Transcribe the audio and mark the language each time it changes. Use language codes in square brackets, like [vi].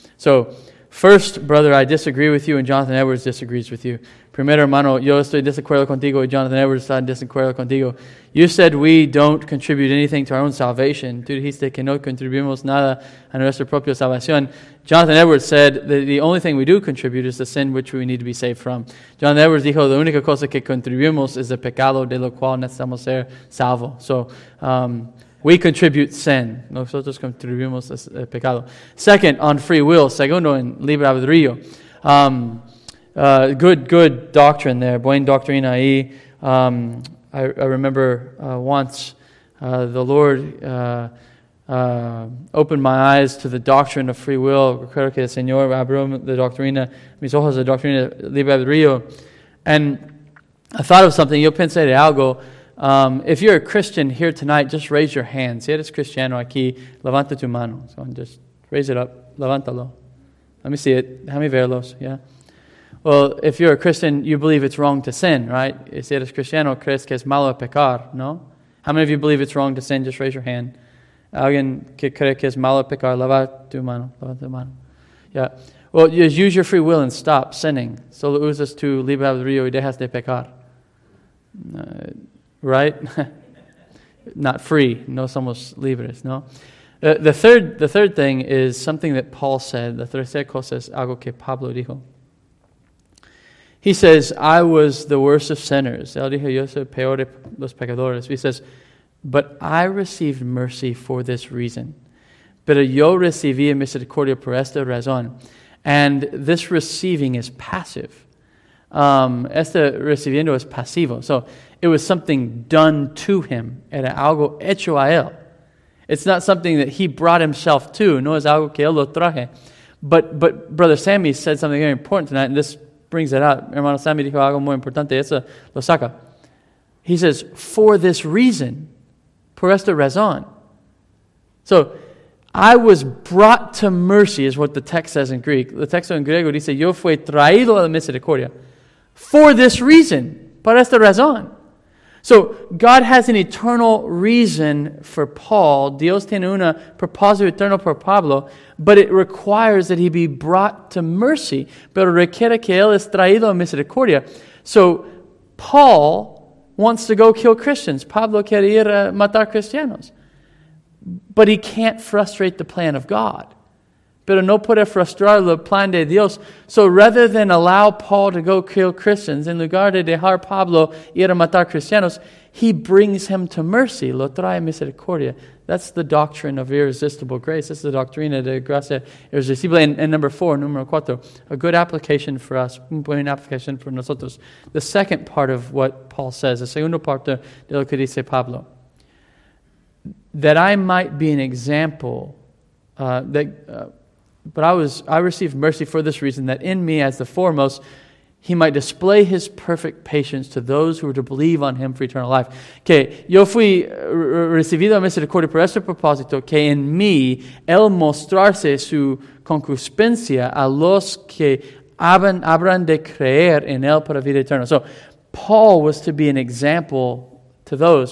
[en] So, first, brother, I disagree with you and Jonathan Edwards disagrees with you. [es] Primero, hermano, yo estoy desacuerdo contigo y Jonathan Edwards está en desacuerdo contigo. [en] You said we don't contribute anything to our own salvation. [es] Tú dijiste que no contribuimos nada a nuestra propia salvación. [en] Jonathan Edwards said that the only thing we do contribute is the sin which we need to be saved from. [es] Jonathan Edwards dijo, la única cosa que contribuimos es el pecado de lo cual necesitamos ser salvo. [en] So, we contribute sin. [es] Nosotros contribuimos el pecado. [en] Second, on free will. [es] Segundo, en libre albedrío. [en] Good doctrine there. [es] Buen doctrina ahí. [en] I remember once the Lord opened my eyes to the doctrine of free will. [es] Creo que el Señor abrió la doctrina, mis ojos de doctrina libre albedrío. [en] And I thought of something. [es] Yo pensé de algo. [en] If you're a Christian here tonight, just raise your hand. [es] Si eres cristiano aquí, levanta tu mano. [en] So just raise it up. [es] Levántalo. [en] Let me see it. [es] Déjame verlos. Yeah. [en] Well, if you're a Christian, you believe it's wrong to sin, right? [es] Si eres cristiano, crees que es malo pecar, no? [en] How many of you believe it's wrong to sin? Just raise your hand. [es] Alguien que cree que es malo pecar, levanta tu mano. [en] Yeah. Well, just use your free will and stop sinning. [es] Solo usas tu libre albedrío y dejas de pecar. [en] Right? Not free. [es] No somos libres, no? [en] The third thing is something that Paul said. [es] La tercera cosa es algo que Pablo dijo. [en] He says, I was the worst of sinners. [es] Él dijo, yo soy peor de los pecadores. [en] He says, but I received mercy for this reason. [es] Pero yo recibí misericordia por esta razón. [en] And this receiving is passive. [es] Este recibiendo es pasivo. [en] So it was something done to him. [es] Era algo hecho a él. [en] It's not something that he brought himself to. [es] No es algo que él lo traje. [en] But Brother Sammy said something very important tonight, and this brings it out. [es] Hermano Sammy dijo algo muy importante. Eso lo saca. [en] He says, for this reason, [es] por esta razón. [en] So, I was brought to mercy is what the text says in Greek. [es] The texto en griego dice, yo fui traído a la misericordia. [en] For this reason, [es] por esta razón. [en] So, God has an eternal reason for Paul. [es] Dios tiene una propósito eterno por Pablo. [en] But it requires that he be brought to mercy. [es] Pero requiere que él es traído a misericordia. [en] So, Paul wants to go kill Christians. [es] Pablo quiere ir a matar cristianos. [en] But he can't frustrate the plan of God. [es] Pero no puede frustrar el plan de Dios. [en] So rather than allow Paul to go kill Christians, [es] en lugar de dejar Pablo ir a matar cristianos, [en] he brings him to mercy. [es] Lo trae misericordia. [en] That's the doctrine of irresistible grace. That's the [es] doctrina de gracia irresistible. [en] And number four, [es] numero cuatro, [en] a good application for us, un buen application for nosotros. The second part of what Paul says, the [es] segundo parte de lo que dice Pablo, [en] that I might be an example, I received mercy for this reason, that in me as the foremost, he might display his perfect patience to those who were to believe on him for eternal life. [es] Que yo fui recibido a misericordia por este propósito, que en mí él mostrarse su concupiscencia a los que habrán de creer en él para vida eterna. [en] So, Paul was to be an example to those.